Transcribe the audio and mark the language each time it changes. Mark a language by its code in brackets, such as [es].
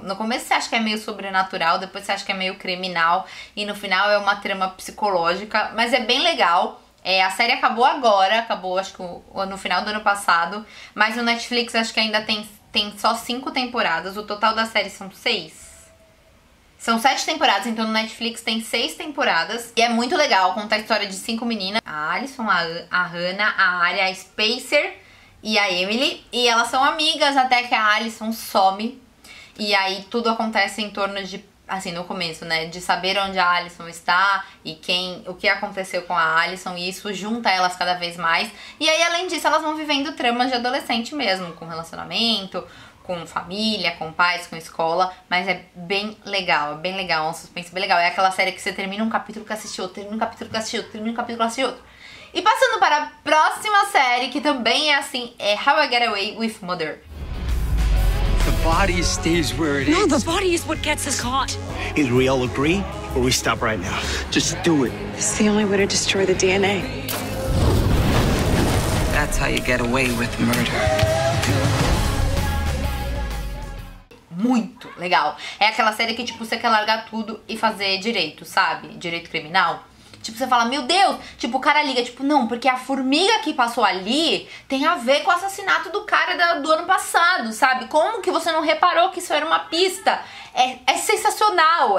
[pt] no começo você acha que é meio sobrenatural, depois você acha que é meio criminal, e no final é uma trama psicológica, mas é bem legal. A série acabou agora, acabou acho que no final do ano passado, mas o Netflix acho que ainda tem tem só 5 temporadas, o total da série são 6. São 7 temporadas, então no Netflix tem 6 temporadas. E é muito legal, conta a história de 5 meninas. A Alison, a Hannah, a Ari, a Spacer e a Emily. E elas são amigas até que a Alison some. E aí tudo acontece em torno de, assim, no começo, né? De saber onde a Alison está e quem, o que aconteceu com a Alison. E isso junta elas cada vez mais. E aí, além disso, elas vão vivendo tramas de adolescente mesmo, com relacionamento, com família, com pais, com escola, mas é bem legal, é bem legal, é um suspense bem legal. É aquela série que você termina um capítulo que assiste outro, termina um capítulo que assiste outro, termina um capítulo que assiste outro. E passando para a próxima série, que também é assim, é How I Get Away with Murder. [en] The body stays where it is. No, the body is what gets us caught. Either we all agree, or we stop right now. Just do it. It's the only way to destroy the DNA. That's how you get away with murder. [pt] Muito legal. É aquela série que, tipo, você quer largar tudo e fazer direito, sabe? Direito criminal. Tipo, você fala, meu Deus! Tipo, o cara liga, tipo, não, porque a formiga que passou ali tem a ver com o assassinato do cara do ano passado, sabe? Como que você não reparou que isso era uma pista? É sensacional!